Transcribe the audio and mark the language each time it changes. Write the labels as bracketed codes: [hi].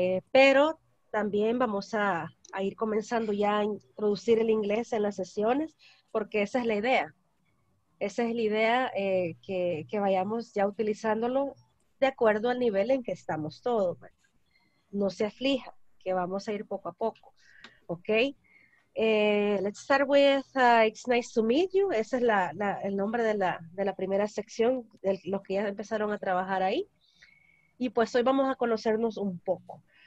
[es] Pero también vamos a ir comenzando ya a introducir el inglés en las sesiones, porque esa es la idea. Esa es la idea, que vayamos ya utilizándolo de acuerdo al nivel en que estamos todos. No se aflija, que vamos a ir poco a poco. [en] Ok. Let's start with It's Nice to Meet You. [es] Ese es el nombre de la primera sección, de los que ya empezaron a trabajar ahí. Y pues hoy vamos a conocernos un poco.